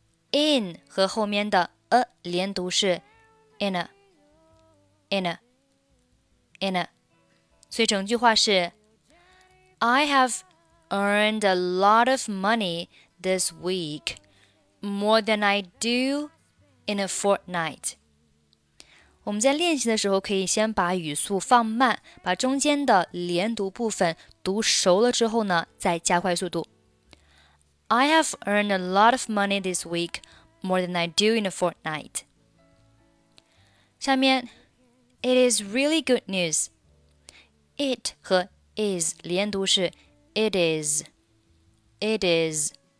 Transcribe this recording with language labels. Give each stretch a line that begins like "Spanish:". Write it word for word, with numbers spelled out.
English: In
Chinese: 和后面的
English: a
Chinese: 连读是
English: in a, in a, in a.
Chinese: 所以整句话是
English: I have earned a lot of money this week, more than I do. In a fortnight.
Chinese: 我们在练习的时候可以先把语速放慢，把中间的连读部分读熟了之后呢，再加快速度。
English: I have earned a lot of money this week, more than I do in a fortnight.
Chinese: 下面
English: It is really good news. It 和 is
Chinese: 连读是
English: It is. It is.